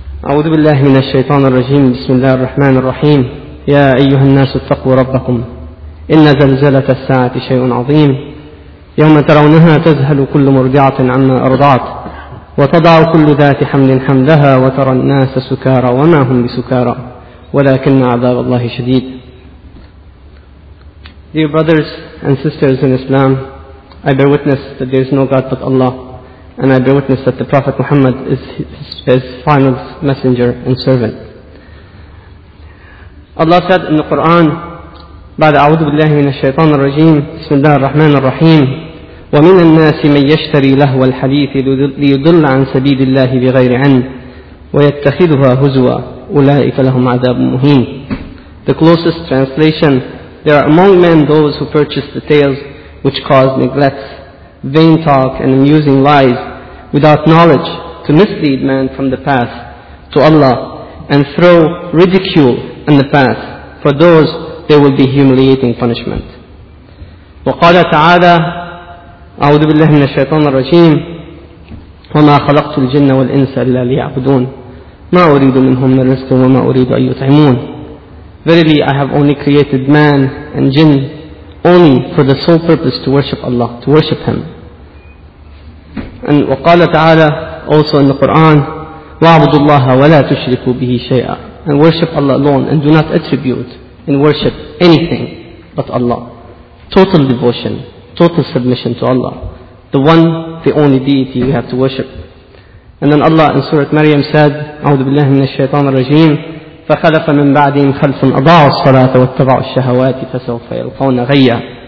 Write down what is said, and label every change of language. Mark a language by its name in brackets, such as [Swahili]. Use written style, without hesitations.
[Arabic] أعوذ بالله من الشيطان الرجيم. بسم الله الرحمن الرحيم. يا أيها الناس اتقوا ربكم، إن زلزلة الساعة شيء عظيم، يوم ترونها تذهل كل مرضعة عما أرضعت، وتضع كل ذات حمل حملها، وترى الناس سكارى وما هم بسكارى ولكن عذاب الله شديد. [English] Dear brothers and sisters in Islam, I bear witness that there is no God but Allah, and I bear witness that the Prophet Muhammad is his final messenger and servant. Allah said in the Quran, [Arabic] بعد أعوذ بالله من الشيطان الرجيم بسم الله الرحمن الرحيم ومن الناس من يشتري لهو الحديث ليضل عن سبيل الله بغير علم ويتخذها هزوا أولئك لهم عذاب مهين. [English] The closest translation, there are among men those who purchase the tales which cause neglects, vain talk and amusing lies without knowledge to mislead man from the path to Allah and throw ridicule in the path. For those there will be humiliating punishment. [Arabic] وقال تعالى أعوذ بالله من الشيطان الرجيم وما خلقت الجن والإنس إلا ليعبدون ما أريد منهم من رزق وما أريد أن يطعمون. [English] Verily I have only created man and jinn only for the sole purpose to worship Allah, to worship Him. And [Arabic] وقال تعالى [English] also in the Quran [Arabic] وَاعْبُدُوا اللَّهَ وَلَا تُشْرِكُوا بِهِ شَيْئًا. [English] And worship Allah alone, and do not attribute in worship anything but Allah. Total devotion, total submission to Allah, the one, the only deity you have to worship. And then Allah in Surah Maryam said, [Arabic] أَعُوذُ بِاللَّهِ مِنَ الشَّيْطَانِ الرَّجِيمِ فَخَلَفَ مِنْ بَعْدِهِمْ خَلْفٌ أَضَاعُوا الصَّلَاةَ وَاتَّبَعُوا الشَّهَوَاتِ فَسَوْفَ يَلْقَوْنَ غَيًّا.